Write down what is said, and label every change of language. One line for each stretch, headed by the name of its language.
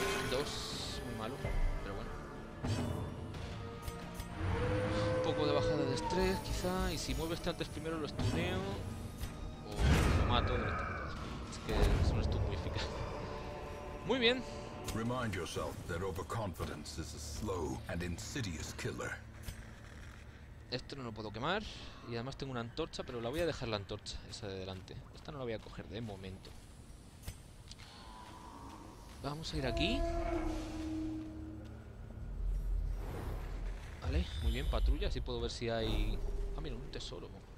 Spanish: Dos, muy malo, pero bueno. Un poco de bajada de estrés, quizá. Y si mueve este antes primero, lo estuneo. O lo mato directamente. Es que es un stun muy eficaz. Muy bien.
English: Remind yourself that overconfidence is a slow and insidious killer.
Spanish: Esto no lo puedo quemar. Y además tengo una antorcha, pero la voy a dejar la antorcha, esa de delante. Esta no la voy a coger de momento. Vamos a ir aquí. Vale, muy bien, patrulla, así puedo ver si hay... Ah, mira, un tesoro.